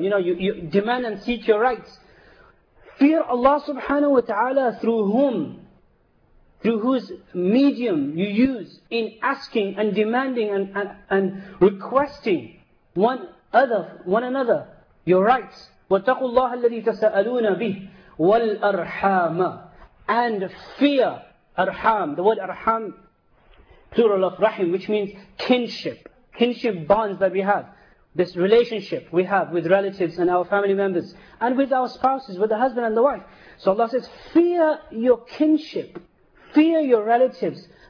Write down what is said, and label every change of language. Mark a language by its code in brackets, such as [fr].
[en] You know, you demand and seek your rights. Fear Allah subhanahu wa ta'ala through whom, through whose medium you use in asking and demanding and requesting one another your rights. [ar] وَاتَّقُوا اللَّهَ الَّذِي تَسَأَلُونَ بِهِ وَالْأَرْحَامَ, [en] and fear arham. The word arham, plural of rahim, which means kinship. Kinship bonds that we have. This relationship we have with relatives and our family members and with our spouses, with the husband and the wife. So Allah says, fear your kinship, fear your relatives,